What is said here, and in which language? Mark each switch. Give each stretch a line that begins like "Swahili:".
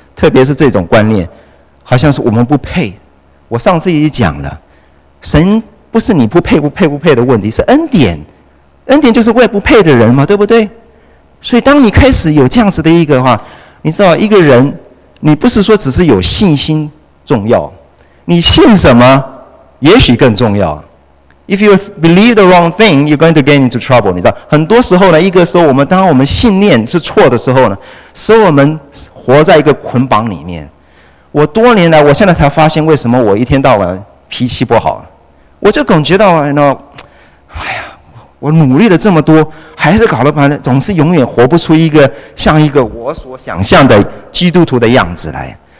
Chinese: 特别是这种观念好像是我们不配，我上次已经讲了，神不是你不配不配不配的问题，是恩典，恩典就是为不配的人嘛，对不对？所以当你开始有这样子的一个话，你知道一个人你不是说只是有信心重要，你信什么也许更重要。
English: If you believe the wrong thing, you're going to get into trouble.
Chinese: 你知道很多时候呢，一个时候我们当我们信念是错的时候呢，使我们活在一个捆绑里面。我多年来我现在才发现为什么我一天到晚脾气不好，我就感觉到哎呀，我努力了这么多还是搞了半天，总是永远活不出一个像一个我所想象的基督徒的样子来。